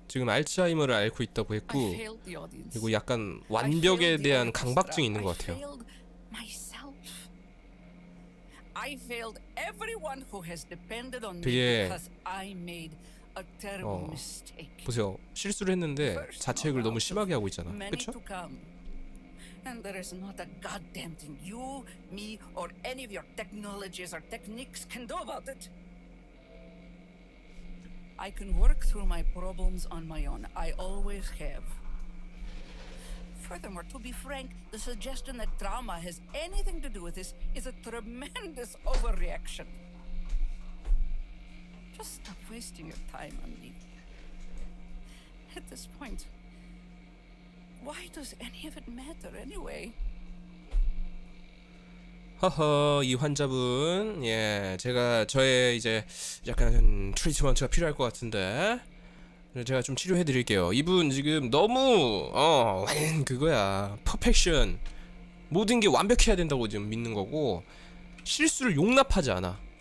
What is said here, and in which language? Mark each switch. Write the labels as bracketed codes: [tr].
[ko] 지금 알츠하이머를 앓고 있다고 했고, 그리고 약간 완벽에 대한 강박증이 있는 것 같아요. [en] Myself. I failed everyone who has depended on me because I made a terrible mistake. [ko] 보세요, 실수를 했는데 자책을 너무 심하게 하고 있잖아. 그렇죠? [en] And there is not a goddamn thing you, me, or any of your technologies or techniques can do about it. I can work through my problems on my own. I always have. Furthermore, to be frank, the suggestion that drama has anything to do with this is a tremendous overreaction. Just stop wasting your time on me. At this point, why does any of it matter anyway? [ko] 허허, 이 환자분, 예, 제가 저의 이제 약간 트리트먼트가 필요할 것 같은데 제가 좀 치료해드릴게요. 이분 지금 너무 그거야, 퍼펙션, 모든 게 완벽해야 된다고 지금 믿는 거고 실수를 용납하지 않아.